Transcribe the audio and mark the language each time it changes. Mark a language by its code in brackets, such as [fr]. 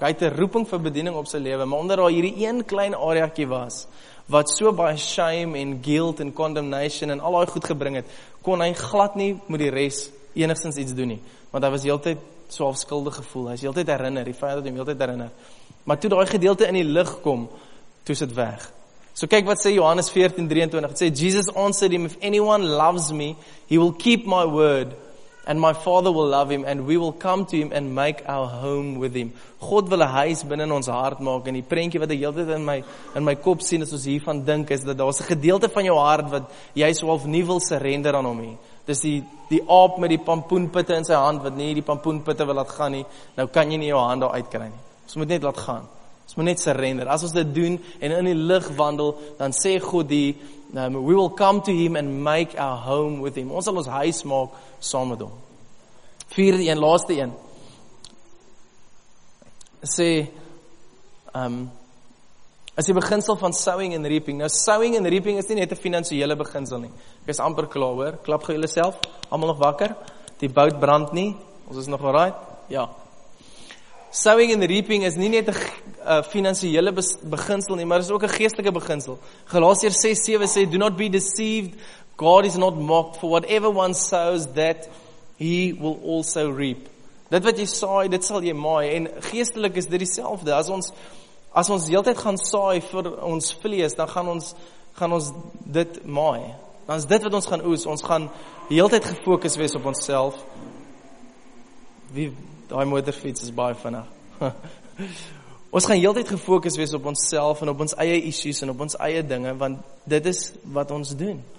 [af] Hy het 'n roeping vir bediening op sy lewe, maar onder daai hierdie een klein areaatjie was wat so baie shame en guilt en condemnation en al hy goed gebring het, kon hy glad nie met die res enigszins iets doen nie. Want hy was heeltyd so afskuldig gevoel, hy is heeltyd herinner, die vijand het hem heeltyd herinner. Maar toe die gedeelte in die lig kom, toe is het weg. So kyk wat sê Johannes 14, 23, het sê, [en] Jesus answered him, if anyone loves me, he will keep my word, and my father will love him, and we will come to him and make our home with him. [af] God wil 'n huis binnen ons hart maak, en die prentjie wat ek heeltyd in my kop sien, as ons hiervan dink, is dat daar is 'n gedeelte van jou hart, wat jy so half nie wil surrender aan hom nie. Dis die aap met die pampoenpitte in sy hand, wat nie die pampoenpitte wil laat gaan nie, nou kan jy nie jou hand daar uitkry nie. Ons moet net laat gaan. Ons moet net surrender. As ons dit doen, en in die lig wandel, dan sê God die, [en] we will come to him and make our home with him. [af] Ons sal ons huis maak, saam met hom. Vierde een, laaste een. Sê, is die beginsel van sowing and reaping. Nou, sowing and reaping is nie net 'n finansiële beginsel nie. Ek is amper klaar hoor. Klap gou julle self, almal nog wakker. Die bout brand nie, ons is nog alright. Ja. Sowing and reaping is nie net 'n finansiële beginsel nie, maar is ook 'n geestelike beginsel. [en] Galasiërs 6:7 sê, do not be deceived. God is not mocked, for whatever one sows, that he will also reap. [af] Dit wat jy saai, dit sal jy maai. En geestelik is dit dieselfde. As ons die hele tyd gaan saai vir ons vlees, dan gaan ons dit maai. Dan is dit wat ons gaan oes. Ons gaan die hele tyd gefokus wees op onsself. Wie, daai motorfiets is baie vinnig. Ons gaan die hele tyd gefokus wees op onsself en op ons eie issues en op ons eie dinge, want dit is wat ons doen.